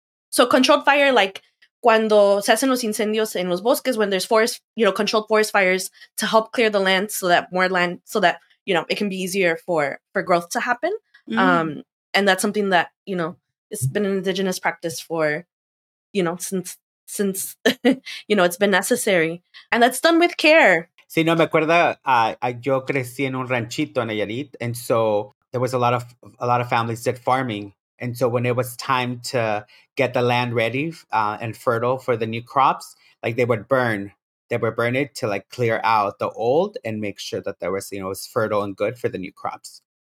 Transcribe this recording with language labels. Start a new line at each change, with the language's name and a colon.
English: So controlled fire, like
Spanish: cuando se hacen los incendios en los bosques,
English: when there's forest, you know, controlled forest fires to help clear the land so that more land, so that, you know, it can be easier for growth to happen. Mm-hmm. And that's something that, you know, it's been an indigenous practice for, you know, since you know, it's been necessary. And that's done with care.
Spanish: Sí, no, me acuerdo, yo crecí en un ranchito en Nayarit.
English: And so there was a lot of families did farming. And so when it was time to get the land ready and fertile for the new crops, like they would burn. They would burn it to like clear out the old and make sure that there was, you know, it was fertile and good for the new crops.